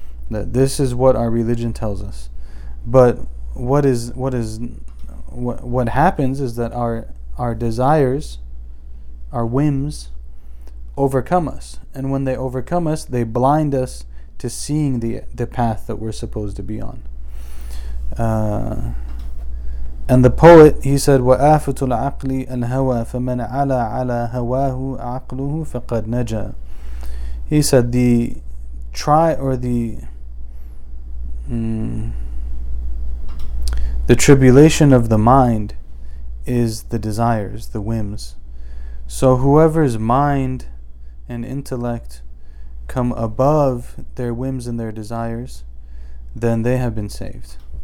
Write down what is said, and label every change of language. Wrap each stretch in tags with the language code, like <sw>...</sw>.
<en>That this is what our religion tells us. But what happens is that our desires, our whims, overcome us. And when they overcome us, they blind us to seeing the path that we're supposed to be on. And the poet, he said,</en> <ar>وَآفَةُ الْعَقْلِ الْهَوَى فَمَنْ عَلَى عَلَى هَوَاهُ عَقْلُهُ فَقَدْ نَجَى.</ar> <en>He said, the tribulation of the mind is the desires, the whims. So whoever's mind and intellect come above their whims and their desires, then they have been saved.</en>